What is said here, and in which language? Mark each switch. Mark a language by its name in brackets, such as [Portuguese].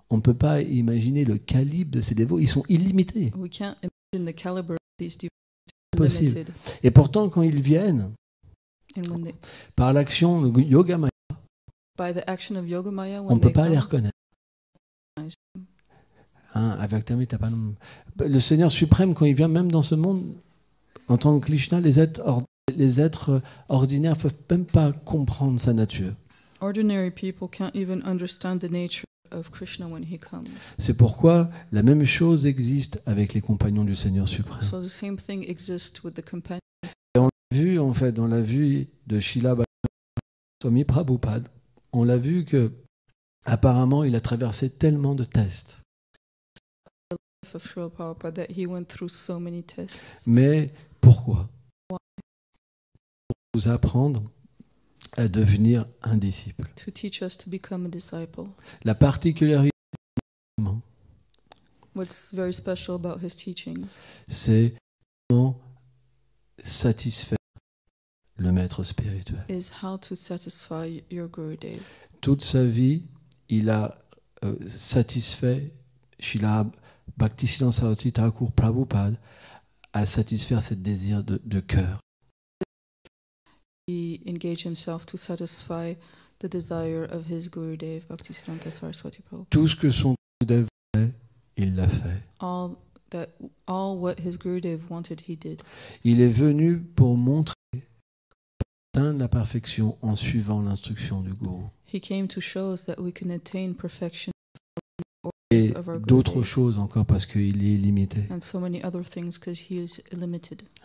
[French] on ne peut pas imaginer le calibre de ces dévots, ils sont illimités. [English] We can't imagine the caliber of these devotees. [French] C'est impossible. Et pourtant quand ils viennent, par l'action de Yogamaya, [English] by the action of Yogamaya, [French] on ne peut pas les reconnaître. [Sanskrit] Avyaktamitapanam. [French] Le Seigneur suprême, quand il vient même dans ce monde, en tant que Krishna, les êtres ordinaires ne peuvent même pas comprendre sa nature. [English] Ordinary people can't even understand the nature of Krishna when he comes. [French] C'est pourquoi la même chose existe avec les compagnons du Seigneur suprême. [English] So the same thing exists with the companions. [French] Et on l'a vu, en fait, dans la vue de Srila Swami Prabhupada, on l'a vu que apparemment il a traversé tellement de tests. [English] Of Srila Prabhupada, that he went through so many tests. [French] Mais pourquoi? [English] Why? [French] Pour nous apprendre à devenir un disciple. [English] To teach us to become a disciple. [French] La particularité, [English] what's very special about his teachings, [French] c'est comment satisfaire le maître spirituel. [English] Is how to satisfy your Gurudev. [French] Toute sa vie, il a satisfait Srila Bhakti Siddhanta Saraswati Thakur Prabhupada à satisfaire ce désir de cœur. [English] He engaged himself to satisfy the desire of his Gurudev, Bhakti Siddhanta Saraswati Prabhupada. [French] Tout ce que son Gurudev voulait, il l'a fait. [English] All what his Gurudev wanted, he did. [French] Il est venu pour montrer atteindre la perfection en suivant l'instruction du Guru. [English] He came to show us that we can attain perfection. [French] Et d'autres choses encore parce qu'il est illimité. [English] And so many other things because he is illimited.